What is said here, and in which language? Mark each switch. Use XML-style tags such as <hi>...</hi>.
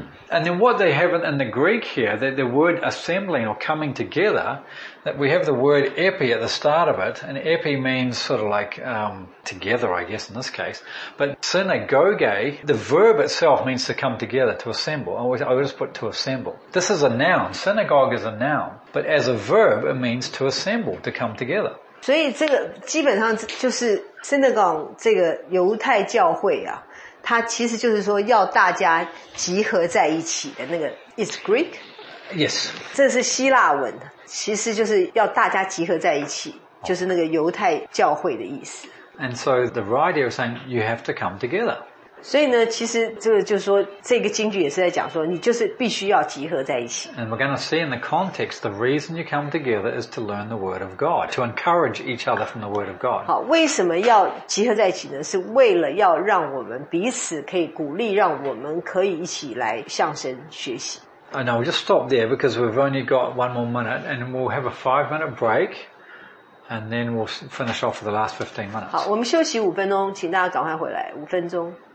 <en>And then what they have in the Greek here, that the word assembling or coming together, that we have the word epi at the start of it, and epi means sort of like together, I guess, in this case. But synagoge, the verb itself means to come together, to assemble. I would just put to assemble. This is a noun, synagogue is a noun, but as a verb, it means to assemble, to come together.</en> <zh>所以这个基本上就是 synagogue 这个犹太教会啊，它其实就是说要大家集合在一起的那个 ，</zh> <en>is Greek? Yes.</en> <zh>这是希腊文，其实就是要大家集合在一起，就是那个犹太教会的意思。</zh> <en>And so the writer is saying you have to come together.</en> <zh>所以呢，其实这个就是说，这个经句也是在讲说，你就是必须要集合在一起。</zh> <en>And we're going to see in the context, the reason you come together is to learn the Word of God, to encourage each other from the Word of God.</en> <zh>好，为什么要集合在一起呢？是为了要让我们彼此可以鼓励，让我们可以一起来向神学习。</zh> <en>And I'll just stop there because we've only got one more minute and we'll have a 5 minute break. And then we'll finish off for the last 15 minutes.</en> <zh>好，我们休息五分钟，请大家赶快回来，五分钟。</zh>